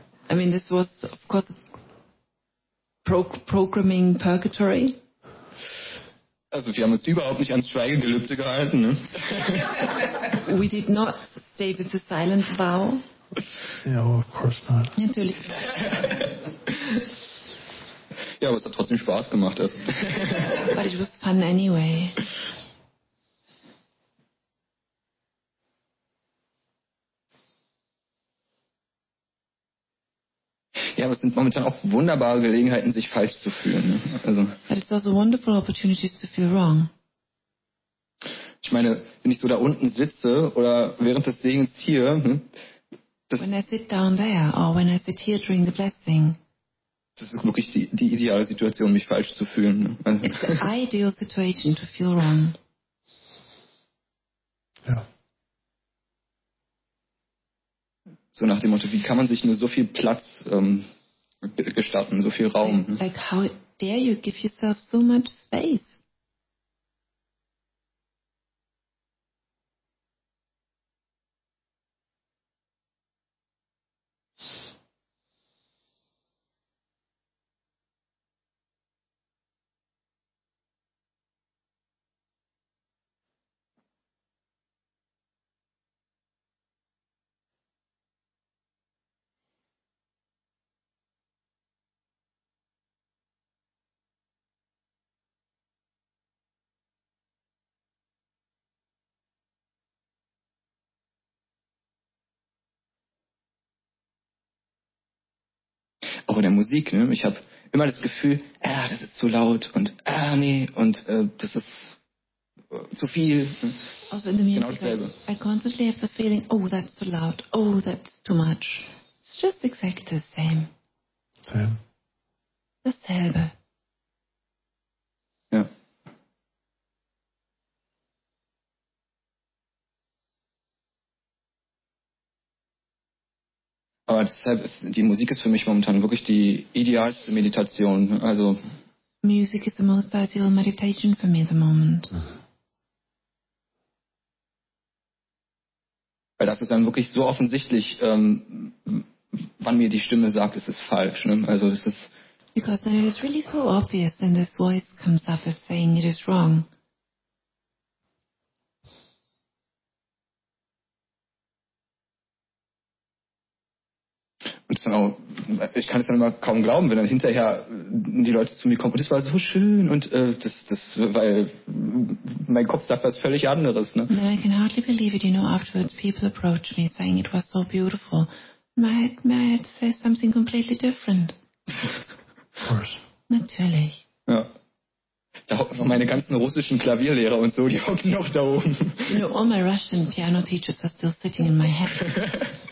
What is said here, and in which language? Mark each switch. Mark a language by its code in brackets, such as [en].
[en] I mean, this was, of course, programming purgatory. [de] Also wir haben uns überhaupt nicht ans Schweigegelübde gehalten. Ne? [en] We did not stay with the silent vow. Ja, well, of course not. [de] Natürlich. Ja, aber es hat trotzdem Spaß gemacht. Also. [en] But it was fun anyway. [de] Ja, aber es sind momentan auch wunderbare Gelegenheiten, sich falsch zu fühlen. Also, [en] but it's also wonderful opportunities to feel wrong. [de] Ich meine, wenn ich so da unten sitze oder während des Segens hier. Das, [en] when I sit down there or when I sit here during the blessing. [de] Das ist wirklich die ideale Situation, mich falsch zu fühlen. [en] It's the ideal situation to feel wrong. [de] Ja. So nach dem Motto, wie kann man sich nur so viel Platz gestatten, so viel Raum? [en] Like, how dare you give yourself so much space? [de] Auch in der Musik, ne? Ich habe immer das Gefühl, das ist zu laut und das ist zu viel. Also in der Musik, genau, [en] I constantly have the feeling, oh, that's too loud, oh, that's too much. It's just exactly the same. Same. [de] Dasselbe. Ja. Aber deshalb ist die Musik ist für mich momentan wirklich die idealste Meditation. Also [en] Music is the most ideal meditation for me at the moment. [de] Weil das ist dann wirklich so offensichtlich, wann mir die Stimme sagt, es ist falsch. Ne? Also es ist. [en] Because then it is really so obvious and this voice comes up as saying it is wrong. [de] Und dann auch, ich kann es dann immer kaum glauben, wenn dann hinterher die Leute zu mir kommen und das war so schön und das weil mein Kopf sagt was völlig anderes, ne? [en] And I can hardly believe it, you know, afterwards people approach me saying it was so beautiful. My head says something completely different. Of course. [de] Natürlich. Ja. Da hocken noch meine ganzen russischen Klavierlehrer und so, die hocken noch da oben. [en] You know, all my Russian piano teachers are still sitting in my head.